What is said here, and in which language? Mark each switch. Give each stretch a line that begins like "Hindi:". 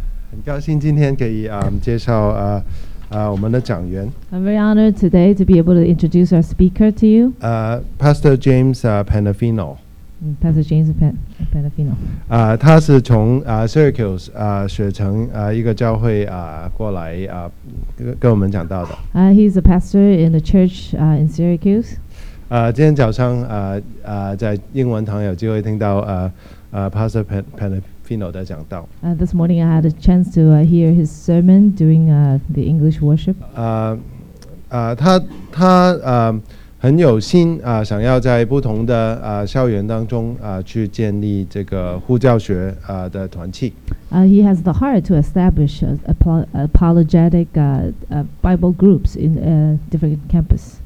Chinese: 很高兴今天可以介绍我们的讲员。
English: I'm very honored today to be able to introduce our speaker to you. Pastor James Pandolfino. Pastor James Pandolfino.
Chinese: 他是从Syracuse 雪城一个教会过来跟我们讲道的。
English: He's a pastor in the church in Syracuse.
Chinese: 今天早上在英文堂有机会听到Pastor Pandolfino 的讲道。
English: This morning I had a chance to hear his sermon during the English worship.
Chinese: 他很有心想要在不同的校园当中去建立这个呼教学的团契。
English: He has the heart to establish apologetic Bible groups in different campus.